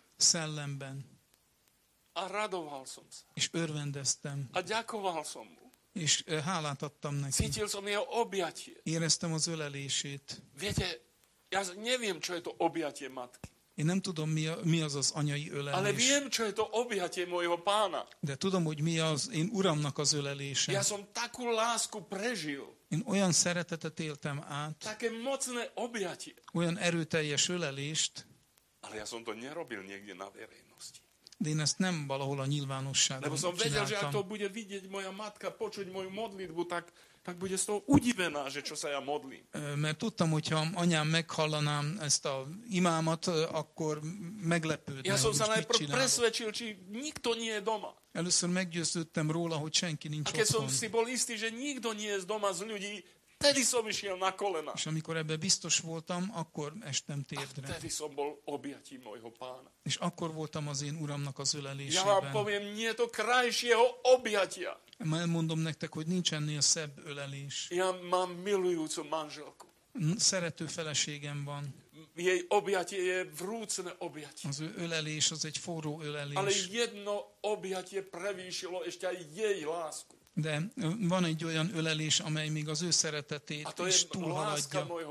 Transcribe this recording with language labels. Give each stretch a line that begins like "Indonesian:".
Hungarian: Szellemben.
Slovak: A radoval som sa.
Hungarian: És örvendeztem.
Slovak: A ďakoval som mu.
Hungarian: És hálát adtam neki.
Slovak: Cítil som jeho objatie.
Hungarian: Éreztem az ölelését.
Slovak: Viete, ja neviem, čo je to objatie matky.
Hungarian: Én nem tudom, mi az az anyai ölelés.
Slovak: Ale viem, čo je to objatie mojho pána.
Hungarian: De tudom, hogy mi az én uramnak az ölelése.
Slovak: Ja som takú lásku prežil.
Hungarian: Én olyan szeretetet éltem át.
Slovak: Také mocné objatie.
Hungarian: Olyan erőteljes ölelést.
Slovak: Ale ja som to nerobil niekde na verejnosti.
Hungarian: De én ezt nem valahol a nyilvánosságon csináltam.
Slovak: Lebo som vedel, že ak to bude vidieť moja matka, počuť moju modlitbu, tak bude z toho udivená, že čo sa ja modlím.
Hungarian: Mert tudtam, hogyha anyám meghallanám ezt a imámat, akkor meglepődne.
Slovak: Ja som sa najprv presvedčil, či nikto nie je doma.
Hungarian: Először meggyőződtem róla, hogy senki nincs otthon.
Slovak: A keď som si bol istý, že nikto nie je z doma z ľudí, Tedy som išiel na kolena.
Hungarian: És amikor ebbe biztos voltam, akkor estem térdre.
Slovak: A tedy som bol objatí mojho pána.
Hungarian: És akkor voltam az én uramnak az ölelésében.
Slovak: Ja vám poviem, nie je to krajšieho objatia.
Hungarian: Ma elmondom nektek, hogy nincs ennél szebb ölelés.
Slovak: Ja mám milujúcu manželku.
Hungarian: Szerető feleségem van.
Slovak: Jej objatie je vrúcne objatie.
Hungarian: Az ölelés az egy forró ölelés.
Slovak: Ale jedno objatie prevýšilo ešte aj jej lásku.
Hungarian: De van egy olyan ölelés, amely még az ő szeretetét is túlhaladja.